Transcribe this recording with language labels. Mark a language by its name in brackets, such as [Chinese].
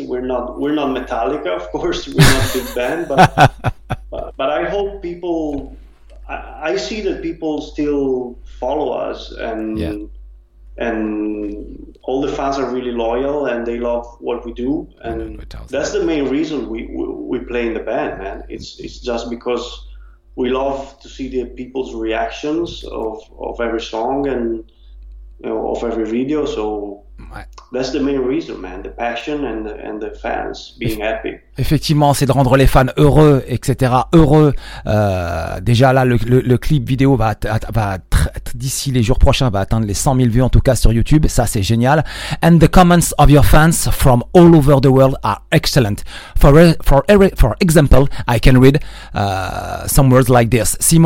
[English] We're not Metallica, of course, we're not a big band, but I hope people, I see that people still follow us, and and all the fans are really loyal and they love what we do, and that's the main reason we play in the band, man. It's just because we love to see the people's reactions of every song and, you know, of every video. So that's the main reason, man. The passion and the fans being happy. [French] Effectivement, c'est de rendre les fans heureux, etc. Heureux. Déjà là, le clip vidéo d'ici les jours prochains va atteindre les 100 000 vues en tout cas sur YouTube. Ça, c'est génial. [English] And the comments of your fans from all over the world are excellent. For example, I can read some words like this.